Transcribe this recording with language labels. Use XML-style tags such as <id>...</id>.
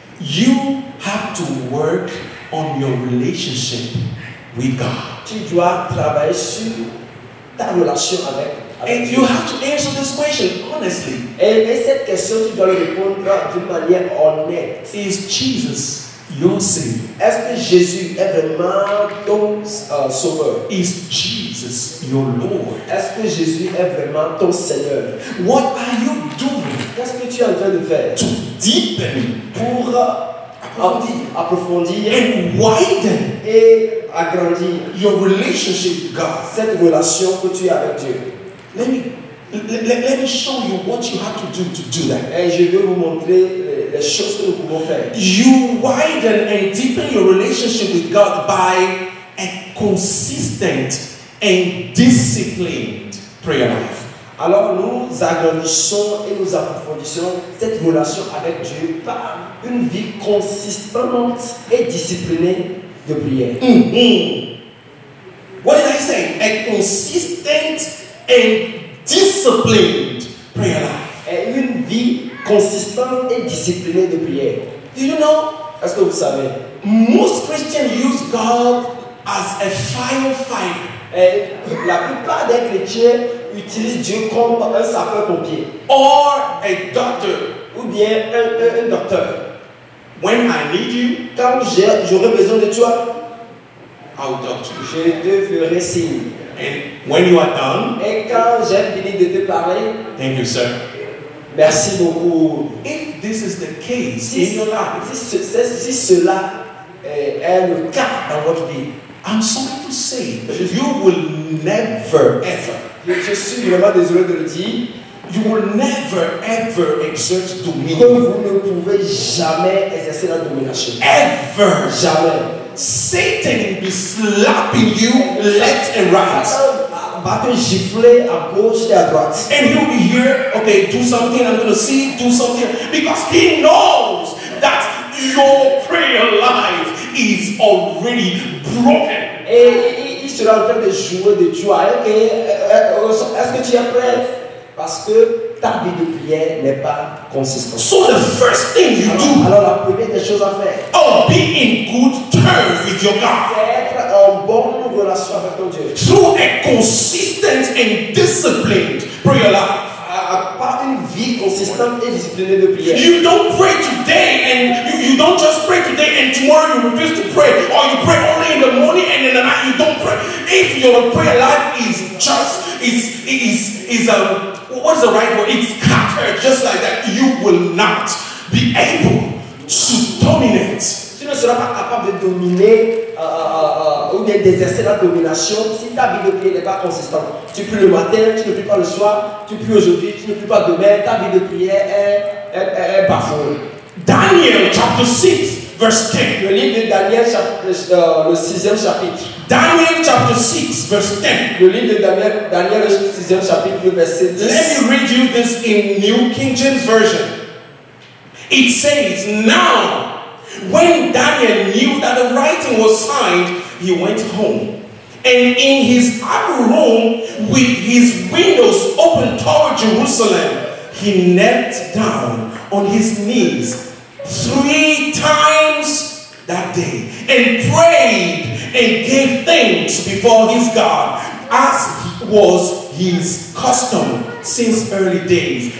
<en>You have to work on your relationship with God.</en> <fr>Tu dois travailler sur ta relation avec Dieu.</fr> <en>And you have to answer this question honestly.</en> <fr>Et cette question, tu dois répondre d'une manière honnête.</fr> <en>Is Jesus your savior?</en> <fr>Est-ce que Jésus est vraiment ton sauveur?</fr> <en>Is Jesus your Lord?</en> <fr>Est-ce que Jésus est vraiment ton Seigneur?</fr> <en>What are you doing?</en> <fr>Qu'est-ce que tu es en train de faire?</fr> <en>To deepen.</en> <fr>Pour approfondir.</fr> <en>And widen.</en> <fr>Et agrandir.</fr> <en>Your relationship with God.</en> <fr>Cette relation que tu as avec Dieu.</fr> <en>Let me show you what you have to do to do that.</en> <fr>Et je vais vous montrer les choses que nous pouvons faire.</fr> <en>You widen and deepen your relationship with God by a consistent and disciplined prayer life.</en> <fr>Alors nous agrandissons et nous approfondissons cette relation avec Dieu par une vie consistante et disciplinée de prière.</fr> <en>Mm-hmm. What did I say? A consistent and disciplined prayer life.</en> <fr>Et une vie consistante et disciplinée de prière.</fr> <en>Do you know?</en> <fr>Est-ce que vous savez?</fr> <en>Most Christians use God as a firefighter.</en> <fr>Et la plupart des chrétiens utilisent Dieu comme un sapeur-pompier.</fr> <en>Or a doctor.</en> <fr>Ou bien un docteur.</fr> <en>When I need you,</en> <fr>quand j'aurai besoin de toi,</fr> <en>I'll doctor.</en> <fr>Je te ferai signe.</fr> <en>And when you are done,</en> <fr>et quand j'ai fini de te parler,</fr> <en>thank you, sir.</en> <fr>Merci beaucoup.</fr> <en>If this is the case,</en> <fr>si</fr> <en>in your life,</en> <fr>si cela est le cas dans votre vie,</fr> <en>I'm sorry to say, but you will never ever.</en> <fr>Je suis vraiment désolé de le dire.</fr> <en>You will never ever exert dominion.</en> <fr>Comme vous ne pouvez jamais exercer la domination.</fr> <en>Ever.</en> <fr>Jamais.</fr> <en>Satan will be slapping you left and right.</en> <fr>Va te gifler à gauche et à droite.</fr> <en>And he will be here, okay, do something, I'm going to see, do something. Because he knows that your prayer life is already broken.</en> <fr>Et il sera en train de jouer de toi. Okay, est-ce que tu es prêt? Parce que ta vie de prière n'est pas consistante.</fr> <en>So the first thing you do.</en> <fr>Alors la première des choses à faire.</fr> <en>Oh, be in good terms with your God.</en> <fr>Être en bonne relation avec ton Dieu.</fr> <en>Through a consistent and disciplined prayer life.</en> <fr>Par une vie consistante et disciplinée de prière.</fr> <en>You don't pray today and you don't just pray today and tomorrow you refuse to pray. Or you pray only in the morning and in the night you don't pray. If your prayer life is just is a what's the right word? It's scattered just like that. You will not be able to dominate.</en> <fr>Tu ne seras pas capable de dominer ou d'exercer la domination si ta vie de prière n'est pas consistante. Tu pries le matin, tu ne pries pas le soir, tu pries aujourd'hui, tu ne pries pas demain. Ta vie de prière est bafouée.</fr> <en>Daniel chapter 6 verse 10.</en> <fr>Le livre de Daniel le sixième chapitre.</fr> <en>Daniel chapter 6 verse 10.</en> <fr>Le livre de Daniel le sixième chapitre le verset 10.</fr> <en>Let me read you this in New King James Version. It says, now when Daniel knew that the writing was signed, he went home. And in his upper room with his windows open toward Jerusalem, he knelt down on his knees 3 times that day and prayed and gave thanks before his God as was his custom since early days.</en>